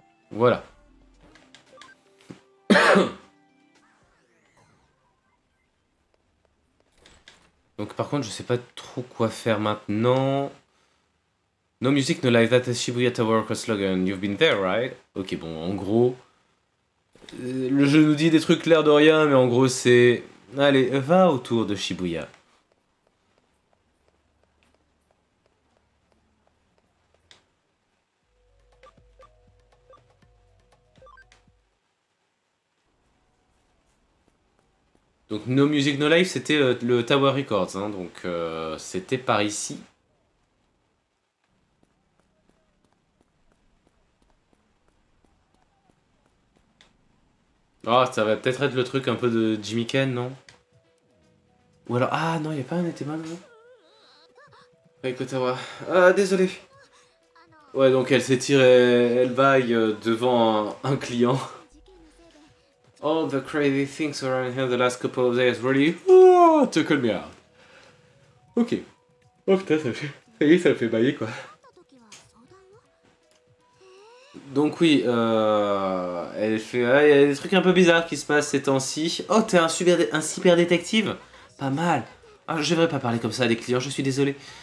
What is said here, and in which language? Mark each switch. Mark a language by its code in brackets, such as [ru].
[fr] Voilà. Donc par contre, je sais pas trop quoi faire maintenant. [en] No music, no life, that is Shibuya Tower Cross Logan. You've been there, right? Ok, [fr] bon, en gros. Le jeu nous dit des trucs clairs de rien, mais en gros, c'est. Allez, va autour de Shibuya. Donc, No Music, No Life, c'était le Tower Records, hein, donc c'était par ici. Oh, ça va peut-être être le truc un peu de Jimmy Ken, non? Ou alors... Ah non, il n'y a pas un été mal, non? Écoute, désolé. Ouais, donc elle s'étire et elle baille devant un client. [en] All the crazy things around here the last couple of days really tickle me out. [fr] Ok. Oh putain, ça fait... Ça y est, ça me fait bailler, quoi. Donc oui, elle fait... Ah, y a des trucs un peu bizarres qui se passent ces temps-ci. Oh, t'es un super détective? Pas mal. Ah, je devrais pas parler comme ça à des clients, je suis désolé.